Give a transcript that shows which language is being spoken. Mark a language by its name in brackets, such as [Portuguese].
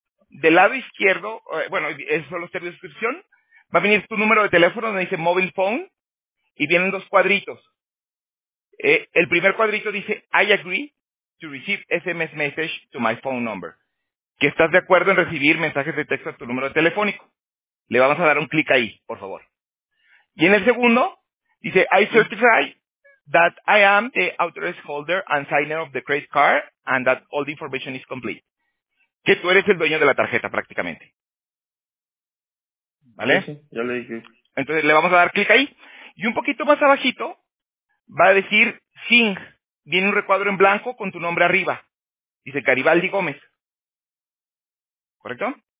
[Spanish] Del lado izquierdo, bueno, esos son los términos de suscripción, va a venir tu número de teléfono donde dice mobile phone y vienen dos cuadritos. El primer cuadrito dice [English] I agree to receive SMS message to my phone number. [Spanish] Que estás de acuerdo en recibir mensajes de texto a tu número telefónico. Le vamos a dar un clic ahí, por favor. Y en el segundo dice [English] I certify that I am the authorized holder and signer of the credit card and that all the information is complete. [Spanish] Que tú eres el dueño de la tarjeta prácticamente. ¿Vale? Sí, ya le dije. Entonces le vamos a dar clic ahí. Y un poquito más abajito va a decir Sing. Viene un recuadro en blanco con tu nombre arriba. Dice Garibaldi Gómez. ¿Correcto?